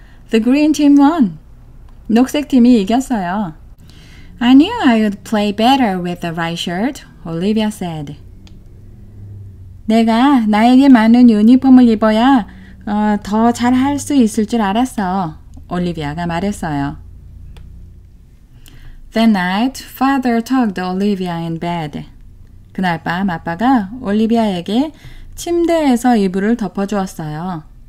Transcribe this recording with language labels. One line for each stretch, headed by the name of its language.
English: The green team won.
Korean: 녹색 팀이 이겼어요.
English: I knew I would play better with the right shirt, Olivia said.
Korean: 내가 나에게 맞는 유니폼을 입어야 더 잘할 수 있을 줄 알았어, 올리비아가 말했어요.
English: That night, father tucked Olivia in bed.
Korean: 그날 밤 아빠가 올리비아에게 침대에서 이불을 덮어주었어요.